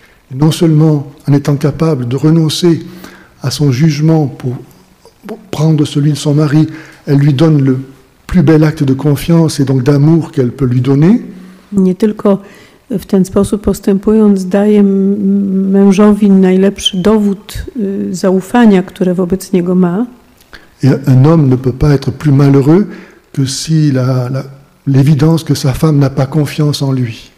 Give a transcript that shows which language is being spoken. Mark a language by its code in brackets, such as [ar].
[fr] Non seulement en étant capable de renoncer à son jugement pour prendre celui de son mari, elle lui donne le plus bel acte de confiance et donc d'amour qu'elle peut lui donner. [pl] Nie tylko w ten sposób postępując daje mężowi najlepszy dowód zaufania, które wobec niego ma. [fr] Et un homme ne peut pas être plus malheureux que si l'évidence que sa femme n'a pas confiance en lui.